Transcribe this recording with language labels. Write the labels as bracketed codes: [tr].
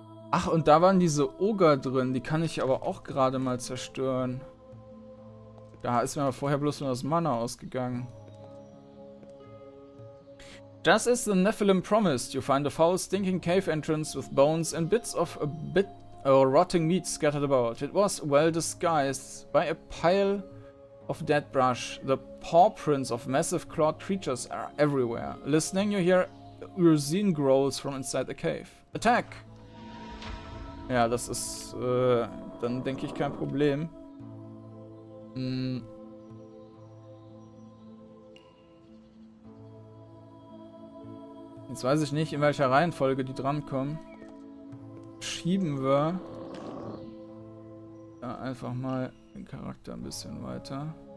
[de] Ach, und da waren diese Oger drin. Die kann ich aber auch gerade mal zerstören. Da ist mir aber vorher bloß nur das Mana ausgegangen. Das ist the Nephilim Promised. [en] You find a foul, stinking cave entrance with bones and bits of rotting meat scattered about. It was well disguised by a pile of dead brush. The paw prints of massive clawed creatures are everywhere. Listening, you hear Urzin growls from inside the cave. Attack! [de] Ja, das ist, dann denke ich, kein Problem. Jetzt weiß ich nicht, in welcher Reihenfolge die drankommen. Schieben wir da einfach mal den Charakter ein bisschen weiter.